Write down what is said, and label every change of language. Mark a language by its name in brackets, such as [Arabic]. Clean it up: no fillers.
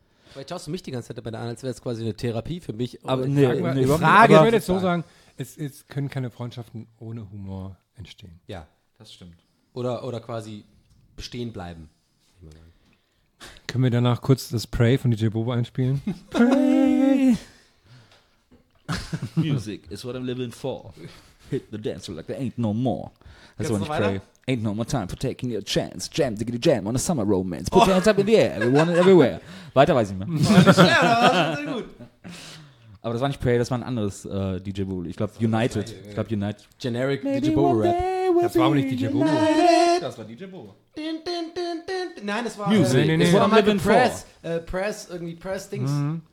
[German] Vielleicht schaust du mich die ganze Zeit dabei an, als wäre es quasi eine Therapie für mich. Aber eine Frage. Aber ich würde jetzt so sagen, es können keine Freundschaften ohne Humor entstehen. Ja, das stimmt. Oder quasi bestehen bleiben. Können wir danach kurz das Pray von DJ Bobo einspielen? Pray! [English] Music is what I'm living for. Hit the dance floor like there ain't no more. [German] Das war nicht Pray. [English] Ain't no more time for taking your chance. Jam, diggity jam on a summer romance. Put your hands up in the air, everyone and everywhere. [German] Weiter weiß ich mehr. Aber das war nicht Pray, das war ein anderes DJ Bobo. Ich glaube United. Ich glaube United. Generic DJ Bobo Rap. Das war aber nicht DJ Bobo. Das war DJ Bobo. Din, din, din, din. Nein, das war Music. Das war Living Press. Press, irgendwie Press-Dings. Mm-hmm.